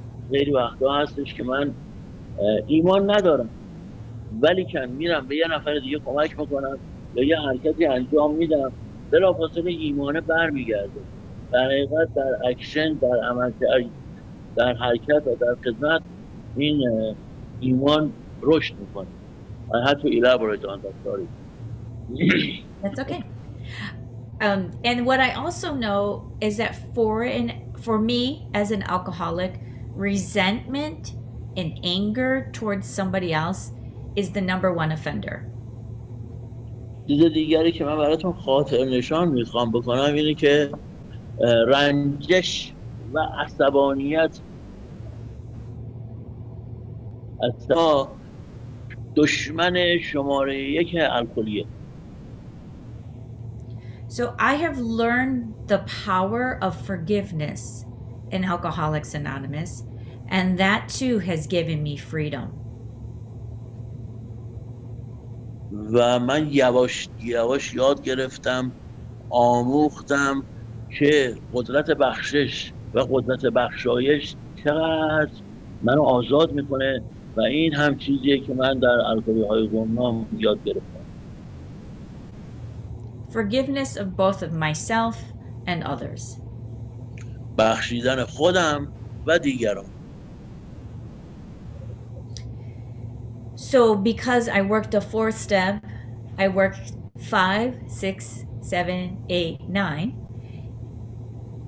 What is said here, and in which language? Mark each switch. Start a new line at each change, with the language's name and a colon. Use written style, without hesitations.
Persian: خیلی وقتا هستش که من ایمان ندارم ولی که میرم به یه نفر دیگه کمک میکنم یا یه حرکتی انجام میدم بلافاصله ایمانه برمیگرده. در حقیقت در اکشن در عمل در حرکت و در خدمت این ایمان رشد میکنه.
English: I had to elaborate on that, sorry. That's okay. And what I also know is that for me as an alcoholic, resentment and anger towards somebody else is the number one offender.
Persian: چیزی دیگری که من براتون خاطر نشان میخوام بکنم اینه که رنجش و عصبانیت اصلا دشمن شماره یک الکلیه.
English: So I have learned the power of forgiveness in Alcoholics Anonymous, and that too has given me freedom.
Persian: و من یواش یواش یاد گرفتم آموختم که قدرت بخشش و قدرت بخشایش چقدر منو آزاد میکنه و این هم چیزیه که من در الکلی‌های گمنام یاد گرفتم.
English: Forgiveness of both of myself and others.
Persian: بخشیدن خودم و دیگران.
English: So because I worked a fourth step, I worked 5, 6, 7, 8, 9.